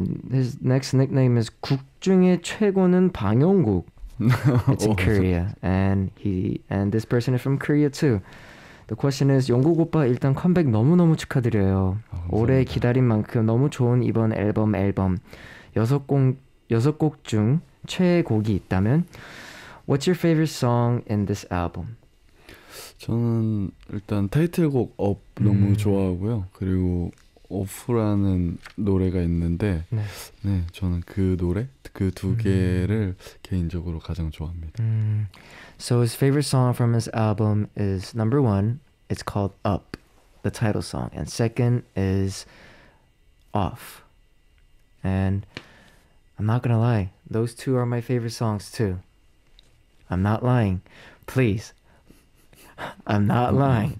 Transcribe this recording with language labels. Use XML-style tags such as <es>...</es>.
<en>His next nickname is</en> <ko>국 중에 최고는 방영국.</ko> <en>It's in Korea, and this person is from Korea too. The question is,</en> <ko>용국 오빠 일단 컴백 너무너무 축하드려요. 오래 기다린 만큼 너무 좋은 이번 앨범. 여섯 곡 중 최애곡이 있다면?</ko> <en>What's your favorite song in this album?</en> <ko>저는 일단 타이틀곡 Up 너무 좋아하고요. 그리고 Off라는 노래가 있는데 네 저는 그 노래, 그 두 개를 개인적으로 가장 좋아합니다.</ko> <en>So his favorite song from his album is number one, it's called Up, the title song. And second is Off. And I'm not gonna lie, those two are my favorite songs too. I'm not lying. Please. I'm not lying.</en>